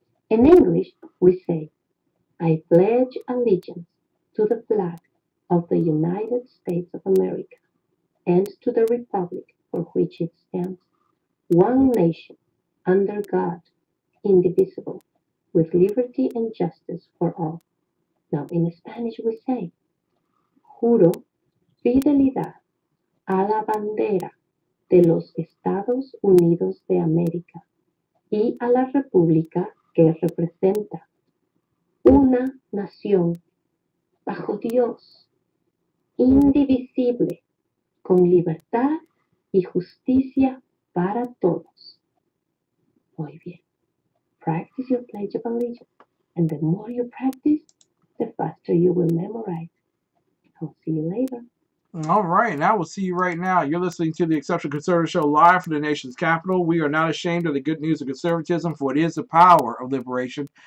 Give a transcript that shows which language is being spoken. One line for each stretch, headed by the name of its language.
English: In English, we say, I pledge allegiance to the flag of the United States of America, and to the republic for which it stands, one nation, under God, indivisible, with liberty and justice for all. Now, in Spanish we say,
Spanish: juro fidelidad a la bandera de los Estados Unidos de América y a la república que representa, una nación, bajo Dios, indivisible, con libertad y justicia para todos. Muy bien.
English: Practice your pledge of allegiance. And the more you practice, the faster you will memorize. I'll see you later. All right. And I will see you right now. You're listening to the Exceptional Conservative Show live from the nation's capital. We are not ashamed of the good news of conservatism, for it is the power of liberation.